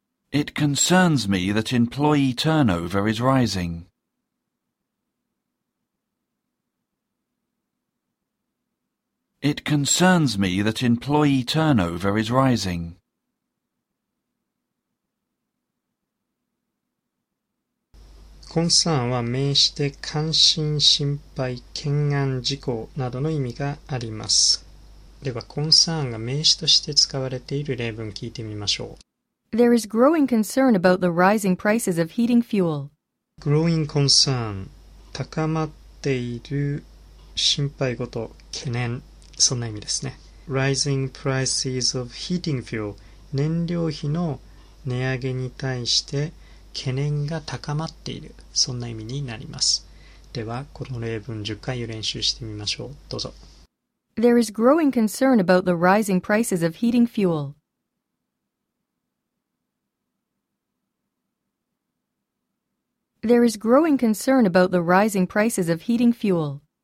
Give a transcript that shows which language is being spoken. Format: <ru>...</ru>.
<en>It concerns me that employee turnover is rising. It concerns me that employee turnover is rising.</en> <ja>コンサーンは名詞で関心、心配、懸案、事項などの意味があります。ではコンサーンが名詞として使われている例文聞いてみましょう。</ja> <en>There is growing concern about the rising prices of heating fuel. Growing concern</en> <ja>高まっている心配事、懸念、そんな意味ですね。</ja> <en>Rising prices of heating fuel</en> <ja>燃料費の値上げに対して懸念が高まっている、そんな意味になります。では、この例文10回練習してみましょう。どうぞ。</ja> <en>There is growing concern about the rising prices of heating fuel. There is growing concern about the rising prices of heating fuel.</en>